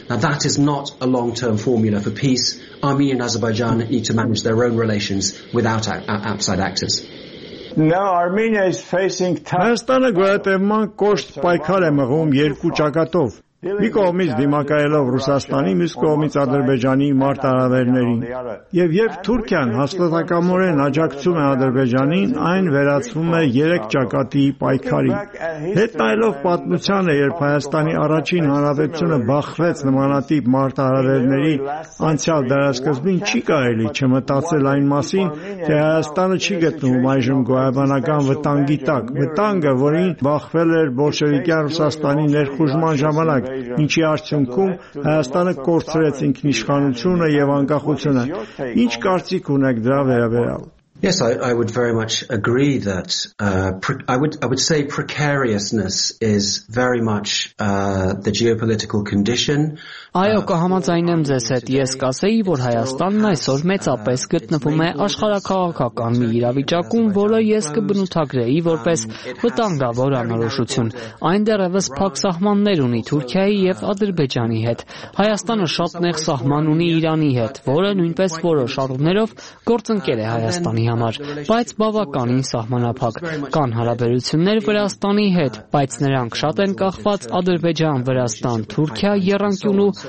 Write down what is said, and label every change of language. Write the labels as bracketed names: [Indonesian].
[English] Now that is not a long-term formula for peace. Armenia and Azerbaijan need to manage their own relations without outside actors. Now Armenia is facing tough. [Armenian] Հայաստանը գոյատևման կոշտ պայքար է մղում երկու ճակատով. Մի կողմից դիմակայելով Ռուսաստանի, մյուս կողմից Ադրբեջանի մարտահրավերներին, և երբ Թուրքիան հաստատակամորեն աջակցում է Ադրբեջանին, այն վերածվում է երեք ճակատի պայքարի։ Հետ նայելով պատմությանը, երբ Հայաստանի առաջին հանրապետությունը բախվեց նմանատիպ մարտահրավերների անցյալ դարասկզբին, չի կարելի չմտածել այն մասին, թե Հայաստանը չի գտնվում այժմ գոյաբանական վտանգի տակ, վտանգը, որին բախվել էր բոլշևիկյան Ռուսաստանի ներխուժման ժամանակ, ինչի արդյունքում Հայաստանը կորցրեց ինքնիշխանությունը և անկախությունը։ Ինչ կարծիք ունեք դրա վերաբերյալ։ [English] Yes, I would very much agree that I would say precariousness is very much the geopolitical condition. [Armenian] Այո, կհամաձայնեմ ձեզ հետ, ես կասեի, որ Հայաստանն այսօր մեծապես գտնվում է աշխարհաքաղաքական մի իրավիճակում, որը ես կբնութագրեի որպես վտանգավոր անորոշություն։ Այն դեռևս փակ սահմաններ ունի Թուրքիայի և Ադրբեջանի հետ։ Հայաստանը շատ նեղ սահման ունի Իրանի հետ, որը նույնպես որոշ առումներով գործընկեր է Հայաստանի համար, բայց բավականին սահմանափակ։ Կան հարաբերություններ Վրաստանի հետ, բայց նրանք շատ են կախված Ադրբեջան, Վրաստան, Թուրքիա, եռանկյուն ու